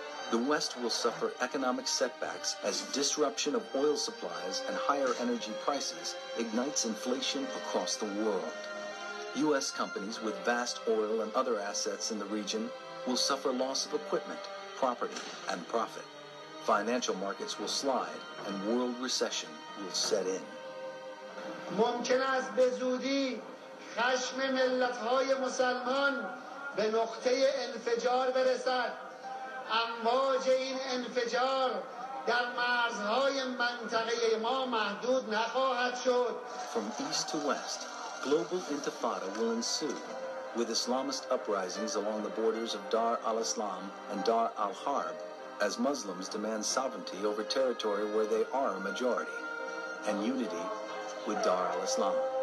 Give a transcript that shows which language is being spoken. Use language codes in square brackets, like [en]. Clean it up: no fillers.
[en] The West will suffer economic setbacks as disruption of oil supplies and higher energy prices ignites inflation across the world. U.S. companies with vast oil and other assets in the region will suffer loss of equipment, property, and profit. Financial markets will slide and world recession will set in. [fa] ممکن است به زودی خشم ملت‌های مسلمان به نقطه انفجار برسد. امواج این انفجار در مرزهای منطقه ما محدود نخواهد شد. [en] From east to west, global intifada will ensue, with Islamist uprisings along the borders of Dar al-Islam and Dar al-Harb, as Muslims demand sovereignty over territory where they are a majority, and unity with Dar al-Islam.